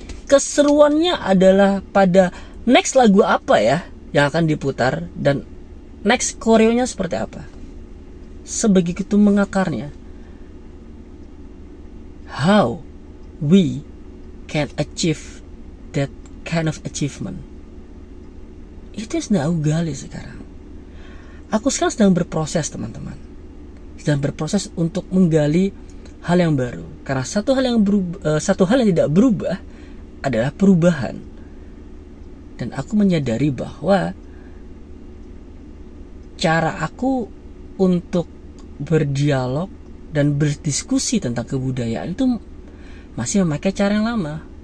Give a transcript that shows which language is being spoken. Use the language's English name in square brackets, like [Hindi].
[Indonesian] Keseruannya adalah pada next lagu apa ya yang akan diputar dan next koreonya seperti apa. Sebegitu mengakarnya. [English] How we can achieve that kind of achievement? [Indonesian] Itu yang sedang aku gali sekarang. Aku sekarang sedang berproses, teman-teman. Sedang berproses untuk menggali hal yang baru. Karena satu hal yang tidak berubah adalah perubahan. dan aku menyadari bahwa cara aku untuk berdialog dan berdiskusi tentang kebudayaan itu masih memakai cara yang lama.